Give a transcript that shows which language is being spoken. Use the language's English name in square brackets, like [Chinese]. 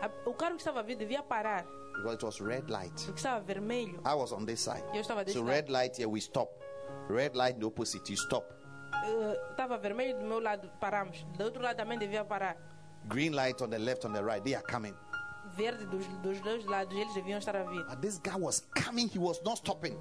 [Portuguese] O carro que estava vindo devia parar. [English] Because it was red light. [Portuguese] Porque estava vermelho. [English] I was on this side. [Portuguese] Eu estava desse lado. [English] Red light here, we stop. Red light the opposite, you stop. [Portuguese] Estava vermelho do meu lado, paramos. Do outro lado também devia parar. [English] Green light on the left, on the right, they are coming. [Portuguese] Verde dos dois lados, eles deviam estar a vir. [English] But this guy was coming, he was not stopping.